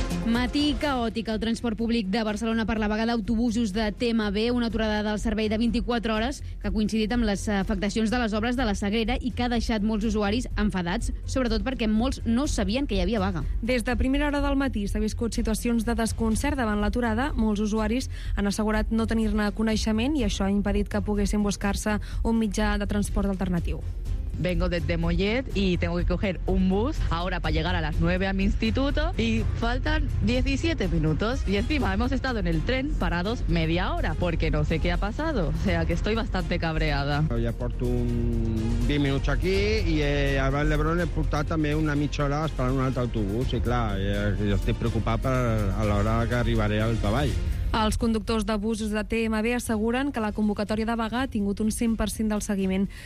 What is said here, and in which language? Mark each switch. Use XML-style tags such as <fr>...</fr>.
<ca>Matí caòtic al transport públic de Barcelona per la vaga d'autobusos de TMB, una aturada del servei de 24 hores que ha coincidit amb les afectacions de les obres de la Sagrera i que ha deixat molts usuaris enfadats, sobretot perquè molts no sabien que hi havia vaga. Des de primera hora del matí s'ha viscut situacions de desconcert davant l'aturada. Molts usuaris han assegurat no tenir-ne coneixement i això ha impedit que poguessin buscar-se un mitjà de transport alternatiu.</ca> <es>Vengo desde Mollet y tengo que coger un bus ahora para llegar a las 9 a mi instituto y faltan 17 minutos y encima hemos estado en el tren parados media hora porque no sé qué ha pasado, o sea que estoy bastante cabreada.</es> <ca>Ya porto un 10 minuts aquí i a l'Hebron he portat també una mitja hora esperant un altre autobús i clar, jo estic preocupat per a l'hora que arribaré al treball. Els conductors de busos de TMB asseguren que la convocatòria de vaga ha tingut un 100% del seguiment.</ca>